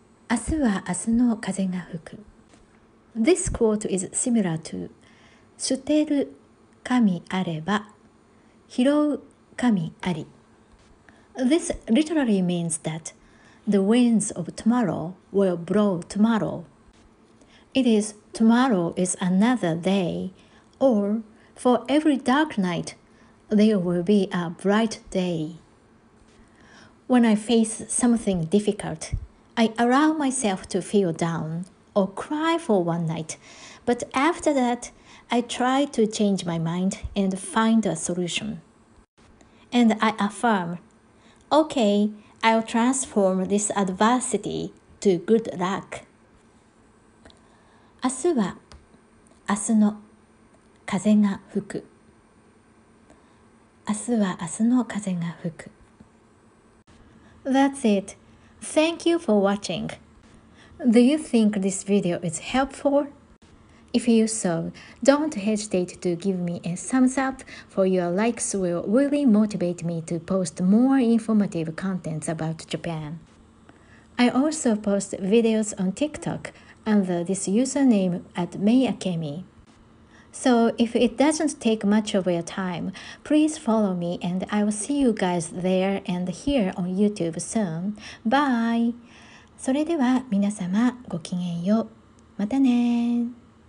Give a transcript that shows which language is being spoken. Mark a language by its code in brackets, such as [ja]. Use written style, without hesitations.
[ja] 明日は明日の風が吹く。 [en] This quote is similar to [ja] 捨てる神あれば拾う神あり。 [en] This literally means that the winds of tomorrow will blow tomorrow. It is tomorrow is another day, or for every dark night, there will be a bright day. When I face something difficult, I allow myself to feel down or cry for one night. But after that, I try to change my mind and find a solution. and I affirm, okay, I'll transform this adversity to good luck. [ja] 明日は明日の風が吹く。明日は明日の風が吹く。 [en] That's it. Thank you for watching. Do you think this video is helpful? If you so, don't hesitate to give me a thumbs up, for your likes will really motivate me to post more informative contents about Japan. I also post videos on TikTok under this username at @meiakemi. So if it doesn't take much of your time, please follow me and I will see you guys there and here on YouTube soon. Bye! [ja] それでは皆様ごきげんよう。またねー。